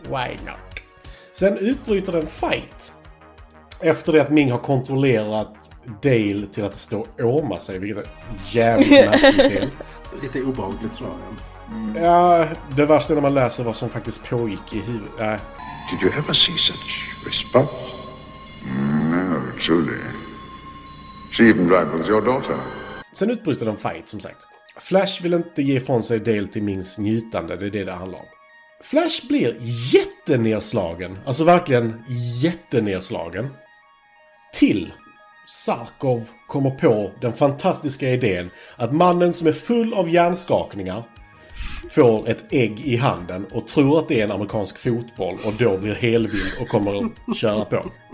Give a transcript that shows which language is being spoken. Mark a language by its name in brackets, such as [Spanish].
[English] Why not? [Swedish] Sen utbryter en fight. Efter det att Ming har kontrollerat Dale till att stå och åma sig, vilket är jävligt märkligt. Lite obehagligt, tror jag. Ja, det värsta när man läser vad som faktiskt pågick i huvudet. [English] Did you ever see such respect? No, truly. She even rivals your daughter. [Swedish] Sen utbryter de fight, som sagt. Flash vill inte ge från sig Dale till Mings njutande, det är det handlar om. Flash blir jättenerslagen, alltså verkligen jättenerslagen, till Sarkov kommer på den fantastiska idén att mannen som är full av hjärnskakningar får ett ägg i handen och tror att det är en amerikansk fotboll och då blir helvild och kommer att köra på.